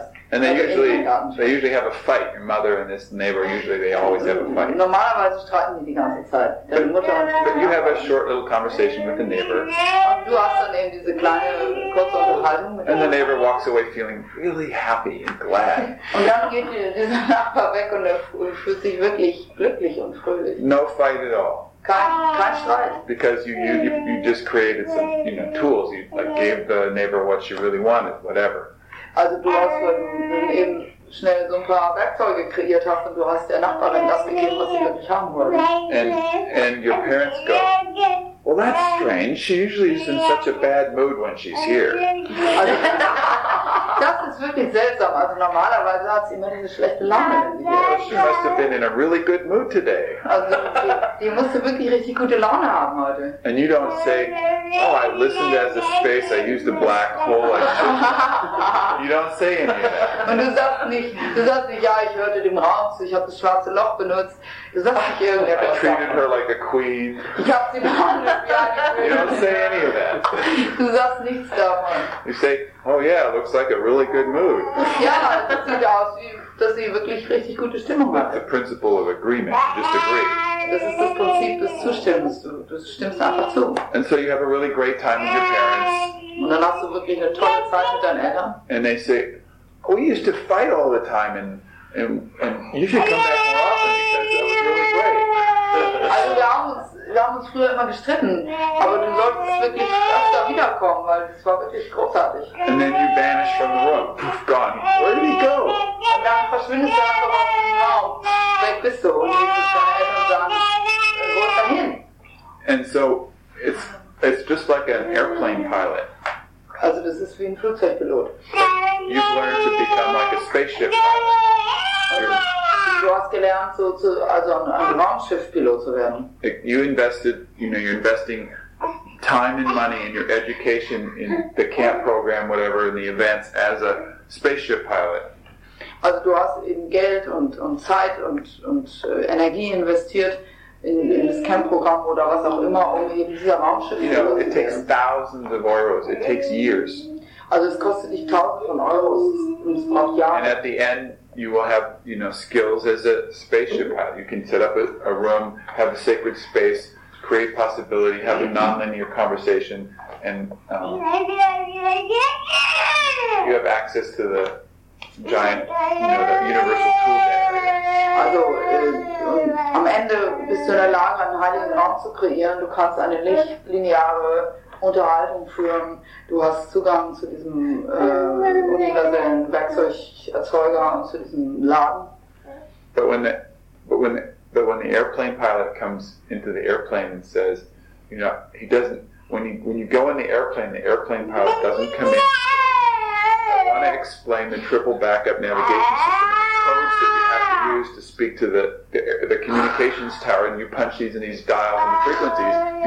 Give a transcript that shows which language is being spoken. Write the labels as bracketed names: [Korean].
[English] And they usually have a fight, your mother and this neighbor, usually they always have a fight. [German] Normalerweise streiten die ganze Zeit. [English] But you have a short little conversation with the neighbor. [German] Und du hast dann eben diese kleine, kurze Unterhaltung mit [English] and the neighbor walks away feeling really happy and glad. [German] Und dann geht dieser Nachbar weg und fühlt sich wirklich glücklich und fröhlich. [English] No fight at all. [German] Kein Streit. [English] Because you just created some, you know, tools. You like gave the neighbor what she really wanted, whatever. [German] Also du hast eben schnell so ein paar Werkzeuge kreiert hast und du hast der Nachbarin das gegeben, was sie wirklich haben wollte. [English] And your parents go, well, that's strange. She usually is in such a bad mood when she's here. [German] Also, das ist wirklich seltsam. Also normalerweise hat sie immer diese schlechte Laune. Well, she must have been in a really good mood today. Also die musste wirklich richtig gute Laune haben heute. [English] And you don't say, oh, I listened as a space, I used a black hole. You don't say any of that. [German] Und du sagst nicht, ja, ich hörte dem Raum zu, ich habe das schwarze Loch benutzt. Du sagst nicht irgendetwas. [English] I treated her like a queen. [German] Ich habe sie behandelt. [English] You don't say any of that. [German] Du sagst nichts davon. [English] You say, oh yeah, it looks like a really good mood. [German] Ja, das sieht aus, dass sie wirklich richtig gute Stimmung hat. [English] The principle of agreement, you just agree. [German] Das ist das Prinzip des Zustimmens. Du stimmst einfach zu. [English] And so you have a really great time with your parents. [German] Und dann hast du wirklich eine tolle Zeit mit deinen Eltern. [English] And they say, oh, we used to fight all the time, and you should come back more often. That was really great. [German] Also wir haben uns wir haben uns früher immer gestritten. Aber du solltest wirklich öfter wiederkommen, weil das war wirklich großartig. [English] And then you vanish from the room. Poof, gone. Where did he go? [German] Und dann verschwindest du einfach aus dem Raum. Weg bist du. Und dann siehst du deine Eltern und sagen, wo ist er hin? [English] And so, it's just like an airplane pilot. [German] Also das ist wie ein Flugzeugpilot. [English] You've learned to become like a spaceship pilot. [German] Du hast gelernt, so zu, also ein Raumschiffpilot zu werden. [English] You invested, you know, you're investing time and money in your education, in the camp program, whatever, in the events as a spaceship pilot. [German] Also du hast eben Geld und Zeit und Energie investiert in das Camp-Programm oder was auch immer, um eben dieser Raumschiff zu werden. [English] It takes thousands of euros. It takes years. [German] Also es kostet dich tausend von Euros und es braucht Jahre. [English] And at the end, you will have, you know, skills as a spaceship pilot. You can set up a room, have a sacred space, create possibility, have a non-linear conversation, and you have access to the giant, you know, the universal toolbag. [German] Also am Ende bist du in der Lage, einen heiligen Raum zu kreieren. Du kannst eine nicht-lineare Unterhaltung führen. Du hast Zugang zu diesem universellen Werkzeugerzeuger und zu diesem Laden. [English] But when the airplane pilot comes into the airplane and says, you know, he doesn't. When you go in the airplane pilot doesn't come in. I want to explain the triple backup navigation system. Use to speak to the communications tower, and you punch these and these dials and the frequencies.